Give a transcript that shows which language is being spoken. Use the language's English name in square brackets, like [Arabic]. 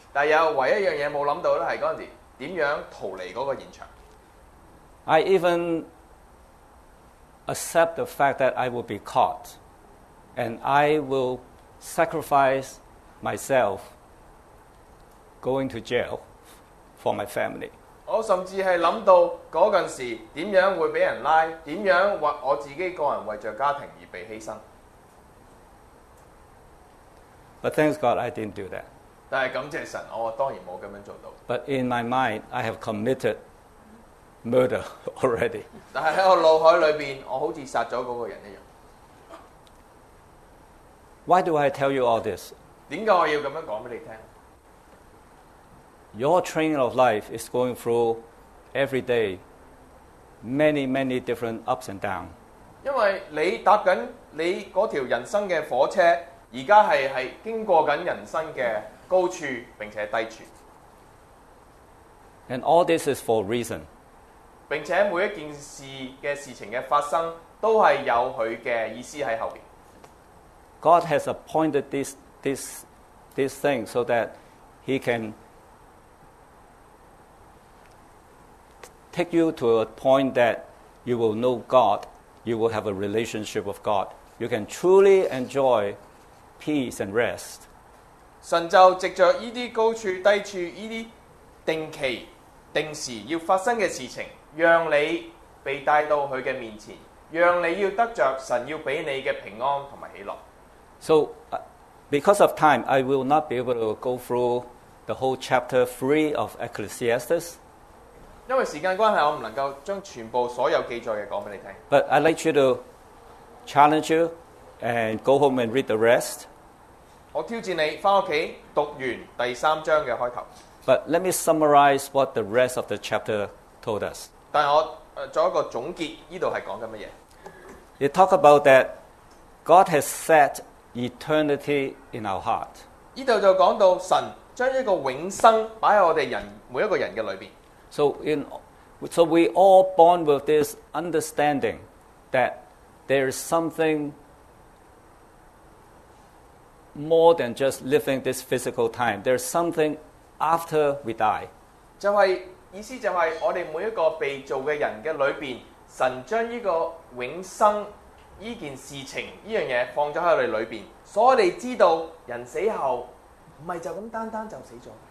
[Cantonese] 但有唯一一樣嘢冇諗到咧，係嗰陣時點樣逃離嗰個現場。 [English] I even accept the fact that I will be caught, and I will sacrifice myself going to jail for my family. [Cantonese] 我甚至係諗到嗰陣時點樣會俾人拉，點樣為我自己個人為著家庭而被犧牲。 [English] But thanks God, I didn't do that. [Cantonese] 但係感謝神，我當然冇咁樣做到。 [English] But in my mind, I have committed murder already. [Cantonese] 但係喺我腦海裏邊，我好似殺咗嗰個人一樣。 [English] Why do I tell you all this? [Cantonese] 點解我要咁樣講俾你聽 [English] ？Your training of life is going through every day many, many different ups and downs. [Cantonese] 因為你搭緊你嗰條人生嘅火車，而家係經過緊人生嘅。高處並且低處。 [English] And all this is for a reason. [Cantonese] 並且每一件事嘅事情嘅發生都係有佢嘅意思喺後面。 [English] God has appointed this thing so that he can take you to a point that you will know God, you will have a relationship with God. You can truly enjoy peace and rest. [Cantonese] 神就藉着呢啲高處低處，呢啲定期定時要發生嘅事情，讓你被帶到佢嘅面前，讓你要得著神要俾你嘅平安同埋喜樂。 [English] So, because of time, I will not be able to go through the whole chapter 3 of Ecclesiastes. [Cantonese] 因為時間關係，我唔能夠將全部所有記載嘅講俾你聽。 [English] But I'd like you to challenge you and go home and read the rest. [Cantonese] 我挑戰你回屋企讀完第三章嘅開頭。 [English] But let me summarize what the rest of the chapter told us. [Cantonese] 但我做一個總結，呢度係講緊乜嘢 [English] ？It talk about that God has set eternity in our heart. [Cantonese] 呢度就講到神將一個永生擺喺我哋人每一個人嘅裏邊。 [English] So we all born with this understanding that there is something. More than just living this physical time, there's something after we die. [Cantonese] 就係意思就係我哋每一個被造嘅人嘅裏邊，神將呢個永生呢件事情呢樣嘢放咗喺我哋裏邊，所以我哋知道人死後唔係就咁單單就死咗。